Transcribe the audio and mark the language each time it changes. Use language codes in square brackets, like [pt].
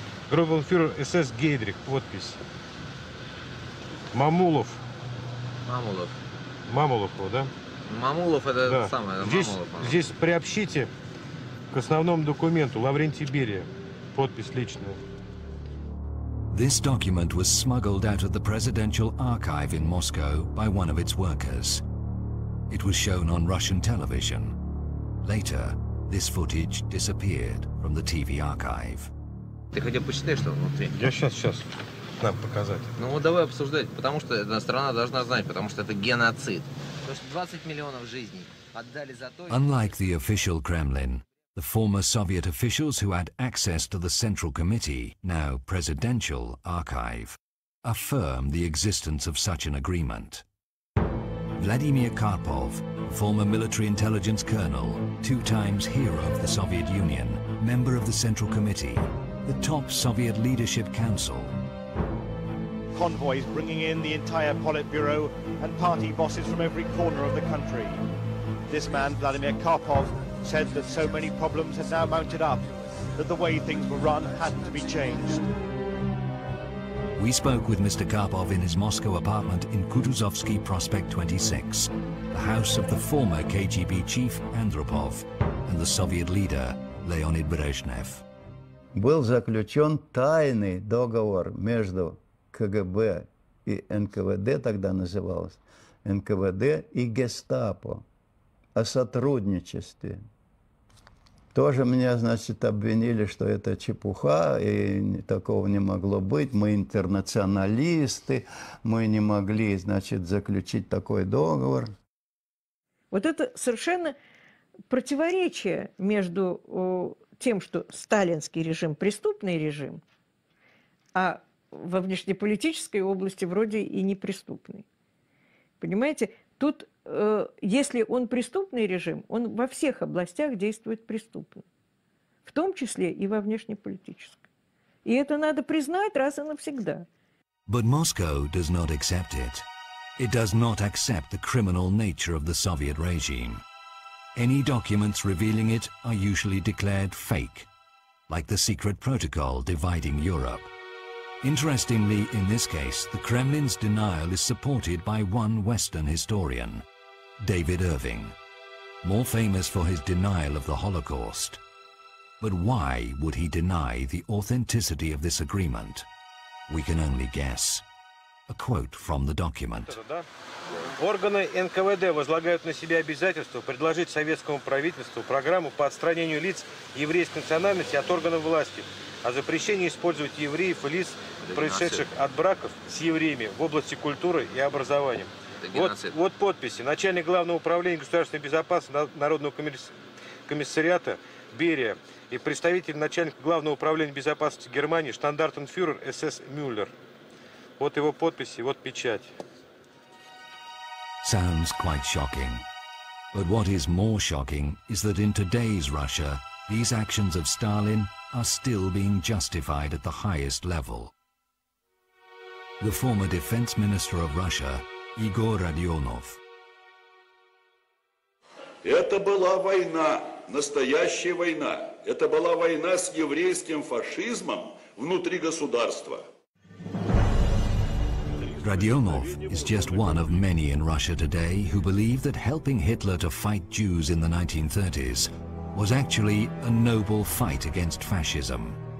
[ru] Группенфюрер СС Гейдрих, подпись. Мамулов. Мамулов. Мамулов, да? Мамулов это да. Самое. Здесь, Мамулов, здесь приобщите к основному документу Лаврентий Берия. Подпись личная. [en] This document was smuggled out of the presidential archive in Moscow by one of its workers. It was shown on Russian television. Later, this footage disappeared from the TV archive. [ru] Ты хотя бы почитай, что внутри. Я сейчас. Нам показать. Ну вот давай обсуждать, потому что одна страна должна знать, потому что это геноцид. То есть 20 миллионов жизней отдали за то. [en] Unlike the official Kremlin, the former Soviet officials who had access to the Central Committee, now presidential archive, affirm the existence of such an agreement. Vladimir Karpov, former military intelligence colonel, two times hero of the Soviet Union, member of the Central Committee, the top Soviet leadership council. Convoys bringing in the entire Politburo and party bosses from every corner of the country. This man, Vladimir Karpov, said that so many problems had now mounted up that the way things were run had to be changed. We spoke with Mr. Karpov in his Moscow apartment in Kutuzovsky Prospect 26, the house of the former KGB chief Andropov and the Soviet leader Леонид Брежнев. [ru] Был заключен тайный договор между КГБ и НКВД, тогда называлось НКВД, и Гестапо о сотрудничестве. Тоже меня, значит, обвинили, что это чепуха, и такого не могло быть. Мы интернационалисты, мы не могли, значит, заключить такой договор. Вот это совершенно противоречие между тем, что сталинский режим – преступный режим, а во внешнеполитической области вроде и не преступный. Понимаете, тут... Если он преступный режим, он во всех областях действует преступно, в том числе и во внешнеполитической. И это надо признать раз и навсегда. [en] But Moscow does not accept it. It does not accept the criminal nature of the Soviet regime. Any documents revealing it are usually declared fake, like the secret protocol dividing Europe. Interestingly, in this case, the Kremlin's denial is supported by one Western historian. David Irving, more famous for his denial of the Holocaust. But why would he deny the authenticity of this agreement? We can only guess. A quote from the document. [ru] Органы НКВД возлагают на себя обязательство предложить советскому правительству программу по отстранению лиц еврейской национальности от органов власти, о запрещении использовать евреев и лиц, происшедших от браков с евреями в области культуры и образования. Вот подписи. Начальник Главного управления государственной безопасности Народного комиссариата Берия и представитель начальника Главного управления безопасности Германии штандартенфюрер СС Мюллер. Вот его подписи, вот печать. [en] Sounds quite shocking. But what is more shocking is that in today's Russia these actions of Stalin are still being justified at the highest level. The former defense minister of Russia Егор Родионов. [ru] Это была война, настоящая война. Это была война с еврейским фашизмом внутри государства. [en] Родионов is just one of many in Russia today who believe that helping Hitler to fight Jews in the 1930s was actually a noble fight against fascism.